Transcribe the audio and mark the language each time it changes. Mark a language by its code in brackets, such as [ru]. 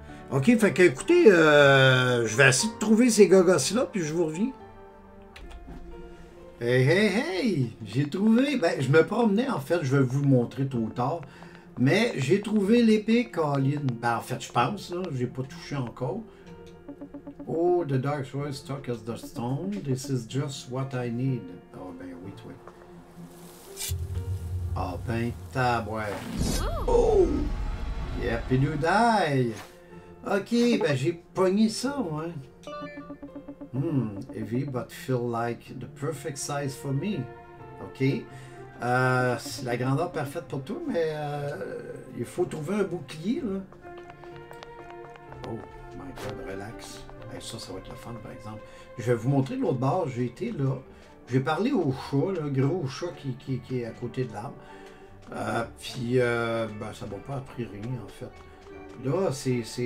[fr] OK, fait qu'écoutez, je vais essayer de trouver ces gogosses-là, puis je vous reviens. Hey, hey, hey! J'ai trouvé... Ben, je me promenais, en fait, je vais vous montrer tôt ou tard. Mais j'ai trouvé l'épée, Colin. Ben, en fait, je pense, là, j'ai pas touché encore. [en] Oh, the dark sword is stuck as the stone. This is just what I need. [fr] Oh, ben oui, toi. Oh, ben tabouin. Oh! [en] Yep, yeah, you die! [fr] OK, ben j'ai pogné ça, moi. [en] Hmm, heavy, but feel like the perfect size for me. OK. [fr] C'est la grandeur parfaite pour toi, mais il faut trouver un bouclier, là. [en] Oh, my God, relax. [fr] Ça, ça va être le fun, par exemple. Je vais vous montrer l'autre bord. J'ai été là. J'ai parlé au chat, le gros chat qui est à côté de l'arbre. Puis, ben, ça m'a pas appris rien, en fait. Là, c'est le...